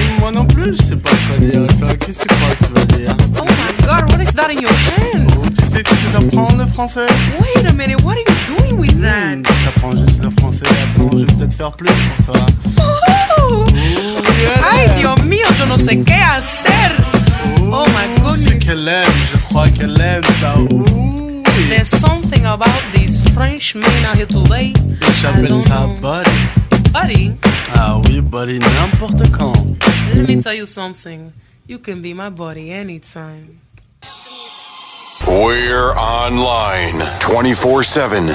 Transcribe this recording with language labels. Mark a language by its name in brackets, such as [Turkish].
[French] Moi non plus, je sais pas quoi dire. Toi, qu'est-ce que tu crois que tu vas dire? [English] Oh my God, what is that in your hand? [French] Ouh, tu sais que tu peux apprendre le français? [English] Wait a minute, what are you doing with that? [French] Je t'apprends juste le français. Attends, je vais peut-être faire plus pour toi. Ouh, [Spanish] ay, Dios mio, [French] je ne sais qu'à hacer. [English] Oh my goodness. [French] C'est qu'elle aime, je crois qu'elle aime ça. Ooh. [English] There's something about these French men out here today. [French] J'appelle ça buddy. [English] Buddy? [French] Ah oui, buddy, n'importe quand. [English] Let me tell you something. You can be my buddy anytime. We're online 24/7.